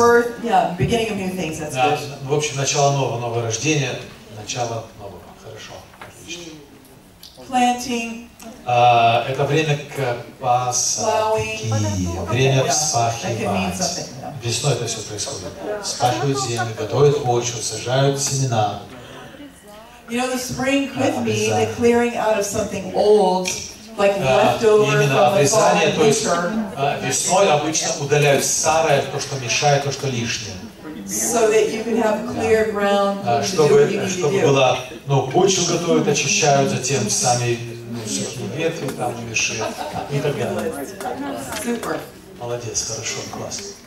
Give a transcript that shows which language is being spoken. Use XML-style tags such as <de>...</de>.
<en>Birth, yeah, beginning of new things, that's good.</en> <ru>В общем, начало нового, новое рождение, начало нового. Хорошо.</ru> <en>Planting.</en> <ru>Это время к посадке, время вспахивать. Весной это все происходит. Вспахивают землю, готовят почву, сажают семена.</ru> <en>You know, the spring could mean the clearing out of something old, like leftover.</en> <ru>Именно обрезание, то есть весной обычно удаляют старое, то, что мешает, то, что лишнее.</ru> <en>so that you can have clear ground to do what you need to do.</en> <ru>Чтобы была, ну, почву готовят, очищают, затем сами, ну, сухие ветви там мешают, и так далее. Супер. Молодец, хорошо, классно.</ru>